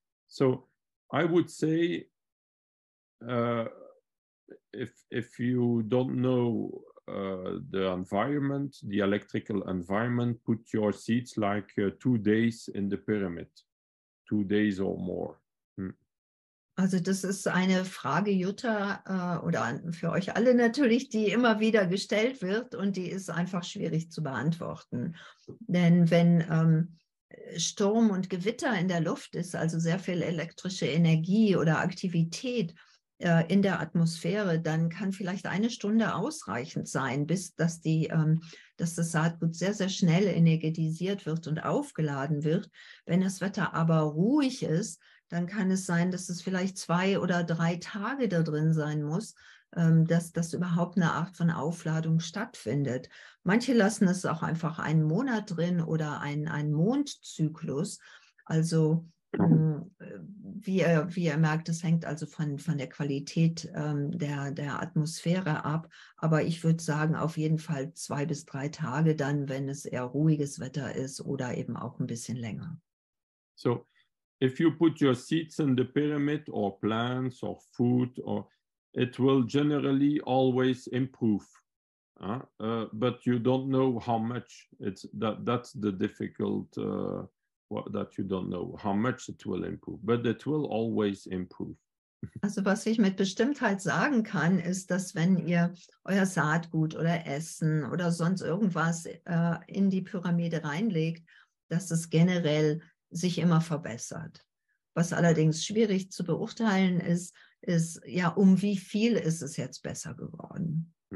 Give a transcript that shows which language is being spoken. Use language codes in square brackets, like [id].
[en] So I would say, If you don't know the environment, the electrical environment, put your seeds like 2 days in the pyramid, 2 days or more. [de] Also das ist eine Frage, Jutta, oder für euch alle natürlich, die immer wieder gestellt wird und die ist einfach schwierig zu beantworten. Denn wenn Sturm und Gewitter in der Luft ist, also sehr viel elektrische Energie oder Aktivität in der Atmosphäre, dann kann vielleicht eine Stunde ausreichend sein, bis dass das Saatgut sehr, sehr schnell energetisiert wird und aufgeladen wird. Wenn das Wetter aber ruhig ist, dann kann es sein, dass es vielleicht 2 oder 3 Tage da drin sein muss, dass überhaupt eine Art von Aufladung stattfindet. Manche lassen es auch einfach einen Monat drin oder einen Mondzyklus. Also Wie ihr merkt, es hängt also von der Qualität der Atmosphäre ab. Aber ich würde sagen, auf jeden Fall 2 bis 3 Tage dann, wenn es eher ruhiges Wetter ist oder eben auch ein bisschen länger. [en] So, if you put your seeds in the pyramid or plants or food, or it will generally always improve. But you don't know how much. That's the difficult that you don't know how much it will improve, but it will always improve. [de] Also was ich mit Bestimmtheit sagen kann, ist, dass wenn ihr euer Saatgut oder Essen oder sonst irgendwas in die Pyramide reinlegt, dass es generell sich immer verbessert. Was allerdings schwierig zu beurteilen ist, ist ja, um wie viel ist es jetzt besser geworden?